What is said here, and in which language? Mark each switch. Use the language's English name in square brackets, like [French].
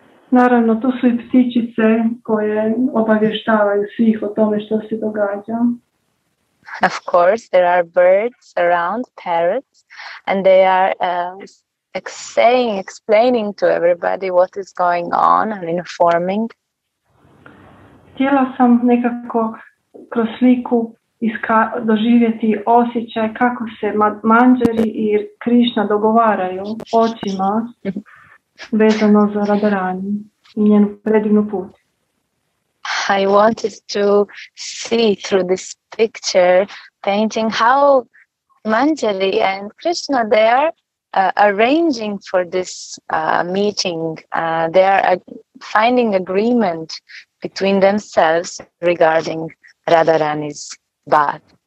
[Croatian] Naravno, to su i ptičice koje obavještavaju svih o tome što se događa. [English] Of course, there are birds around, parrots, and they are explaining to everybody what is going on and informing. [Croatian] Htjela sam nekako kroz sliku doživjeti osjećaj kako se Manjari i Krishna dogovaraju očima vezano za Radharani i njenu predivnu put. [English] I wanted to see through this picture painting how Manjari and Krishna, they are arranging for this meeting. They are finding agreement between themselves regarding Radharani's bath.